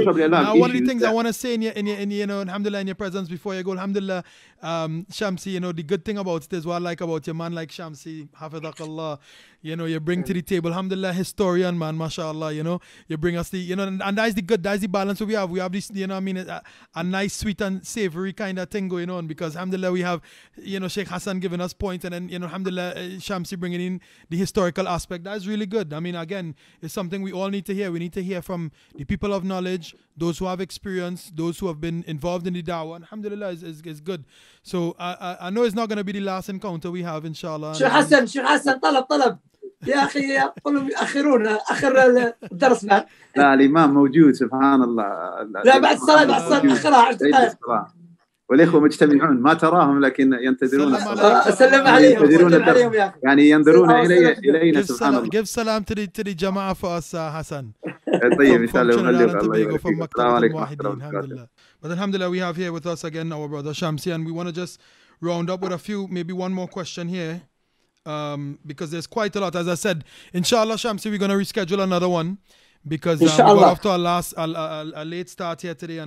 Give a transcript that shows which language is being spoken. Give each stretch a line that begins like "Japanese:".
English: now, one of the things I want to say in your presence before you go, alhamdulillah, Shamsi, you know, the good thing about it is what I like about your man like Shamsi, hafidhakallah, you know, you bring to the table, alhamdulillah, historian, man, mashallah, you know, you bring us the, you know, and that's the good, that's the balance we have. We have this, you know, I mean, a nice, sweet and savory kind of thing going on, because alhamdulillah, we have, you know, Sheikh Hassan giving us points, and then, you know, alhamdulillah, Shamsi bringing in the historical aspect. That's really good. I mean, again, it's something we all need to hear. We need to hear from the people of knowledge, those who have experience, those who have been involved in the da'wah, and alhamdulillah, it's good. So I know it's not going to be the last encounter we have, inshallah. Sheikh Hassan, talab.
Arabic: يا أخي قلهم يأخرون آخر الدرس معك لا الإمام موجود سبحان الله لا بعد الصلاة أخرها والإخوة مجتمعون ما تراهم لكن ينتظرون سلم عليهم ينتظرون عليهم يعني ينظرون إلينا سبحان الله
English: give salam to the
Arabic: جماعة فأس
English: حسن
Arabic: طيب السلام عليكم الحمد لله
English: we have here with us again our brother Shamsi and we want to just round up with a few maybe one more question here because there's quite a lot, as I said, inshallah, Shamsi, we're going to reschedule another one because we're off to a late start here today.